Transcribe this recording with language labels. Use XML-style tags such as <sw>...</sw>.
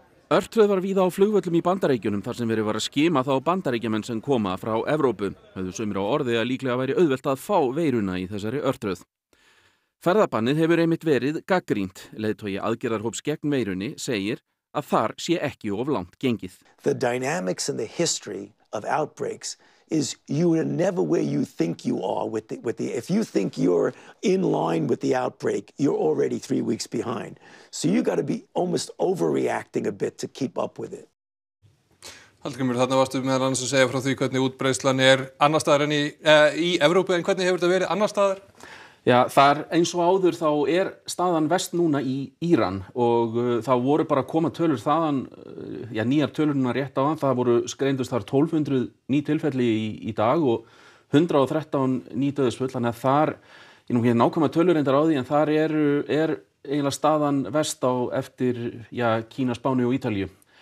<is>Örtröð var víða á flugvöllum í Bandaríkjunum þar sem verið var að skima þá Bandaríkjamenn sem koma frá Evrópu. Höfðu sumir á orði að líklega væri auðvelt að fá veiruna í þessari örtröð. Ferðabannið hefur einmitt verið gagnrýnt. Leiðtogi aðgerðarhóps gegn veirunni segir að þar sé ekki of langt gengið.</is> <en>The dynamics and the history of outbreaks is you are never where you think you are with the if you think you're in line with the outbreak you're already 3 weeks behind. So you got to be almost overreacting a bit to keep up with it.</en> <is>Hallgrímur, þarna varstu meðal annars að segja frá því hvernig útbreiðslan er annars staðar en í Evrópu en hvernig hefur þetta verið annars staðar? Já, þar eins og áður þá er staðan vest núna í Íran og þá voru bara koma tölur þaðan, já nýjar tölurnar rétt á hann, það voru greindust þar 1200 ný tilfelli í dag og 113 ný dauðsföll, þannig að þar, ég nú hér nákvæma tölur reyndar á því, en þar er eiginlega staðan vest á eftir, já, Kína, Spáni og Ítalíu.</is>